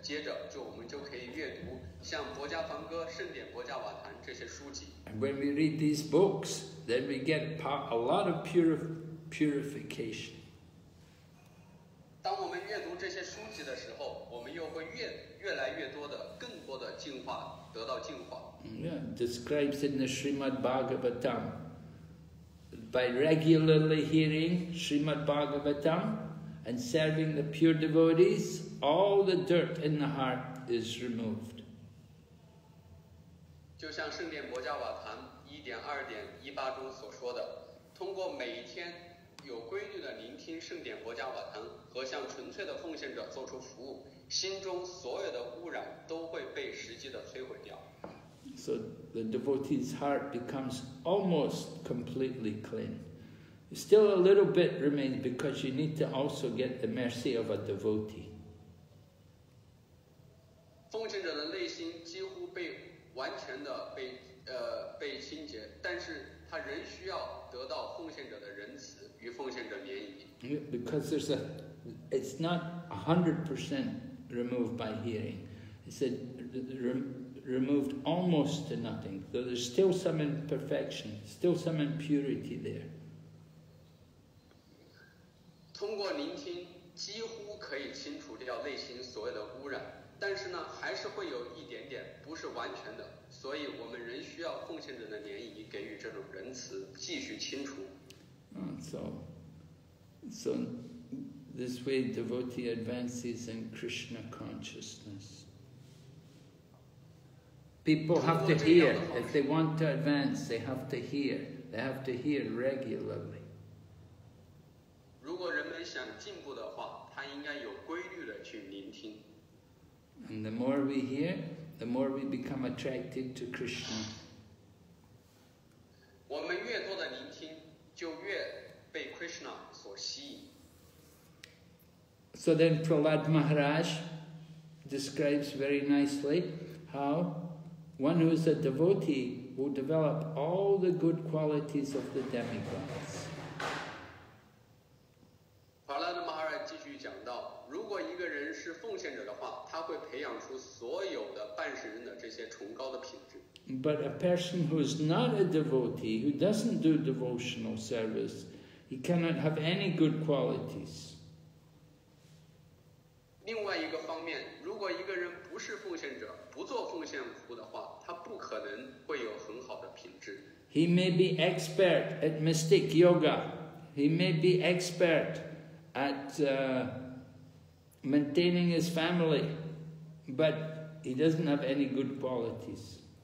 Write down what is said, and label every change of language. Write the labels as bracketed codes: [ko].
[zh] 接着，我们就可以阅读像《薄伽梵歌》《圣典薄伽瓦坛》这些书籍。 [en] And when we read these books, then we get a lot of purification. [zh] 当我们阅读这些书籍的时候，我们又会 越来越多的、更多的净化，得到净化。 [en] Yeah, describes in the Srimad Bhagavatam. By regularly hearing Srimad Bhagavatam and serving the pure devotees, all the dirt in the heart is removed. [zh] 就像圣典薄伽瓦坛 1.2.18 中所说的，通过每一天有规律的聆听圣典薄伽瓦坛和向纯粹的奉献者做出服务，心中所有的污染都会被实际的摧毁掉。 [en] So the devotee's heart becomes almost completely clean. Still a little bit remains because you need to also get the mercy of a devotee. [zh] 奉献者的内心几乎被完全的被清洁，但是他仍需要得到奉献者的仁慈与奉献者涟漪。 [en] Because there's a, it's not 100% removed by hearing. It's a, removed almost to nothing. So there's still some imperfection, still some impurity there. [zh] 通过聆听几乎可以清除掉内心所有的污染，但是呢，还是会有一点点不是完全的，所以我们仍需要奉献者的涟漪给予这种仁慈，继续清除。 [en] So this way devotee advances in Krishna consciousness. People have to hear. If they want to advance, they have to hear. They have to hear regularly. [zh] 如果人们想进步的话，他应该有规律的去聆听。 [en] And the more we hear, the more we become attracted to Krishna. [zh] 我们越多的聆听，就越被 Krishna 所吸引。 [en] So then Prahlad Maharaj describes very nicely how one who is a devotee will develop all the good qualities of the demigods. [zh] Prahlad Maharaj 继续讲到，如果一个人是奉献者的话，他会培养出所有的办事人的这些崇高的品质。 [en] But a person who is not a devotee, who doesn't do devotional service, he cannot have any good qualities. [zh] 另外一个方面，如果一个人不是奉献者，不做奉献服务的话，他不可能会有很好的品质。 [en] He may be expert at mystic yoga. He may be expert at maintaining his family, but he doesn't have any good qualities.